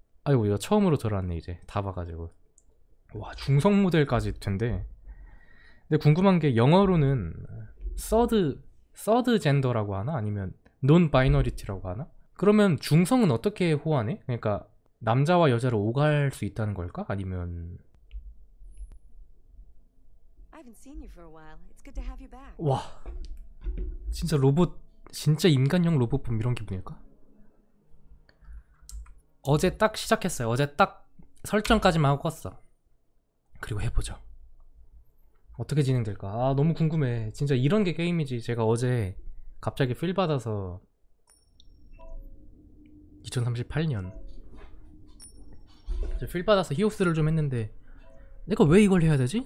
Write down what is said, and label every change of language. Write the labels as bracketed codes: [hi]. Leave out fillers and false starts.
[ko] 아이고, 이거 처음으로 들어왔네, 이제. 다 봐가지고. 와, 중성 모델까지 된대. 근데 궁금한 게 영어로는 서드 젠더라고 하나? 아니면 논 바이너리티라고 하나? 그러면 중성은 어떻게 호환해? 그러니까 남자와 여자를 오갈 수 있다는 걸까? 아니면 [en] I haven't seen you for a while. It's good to have you back. [ko] 와, 진짜 로봇, 진짜 인간형 로봇품 이런 기분일까? 어제 딱 시작했어요. 어제 딱 설정까지만 하고 껐어. 그리고 해보죠. 어떻게 진행될까? 아, 너무 궁금해. 진짜 이런 게 게임이지. 제가 어제 갑자기 필 받아서 2038년 이제 필 받아서 히오스를 좀 했는데 내가 왜 이걸 해야 되지?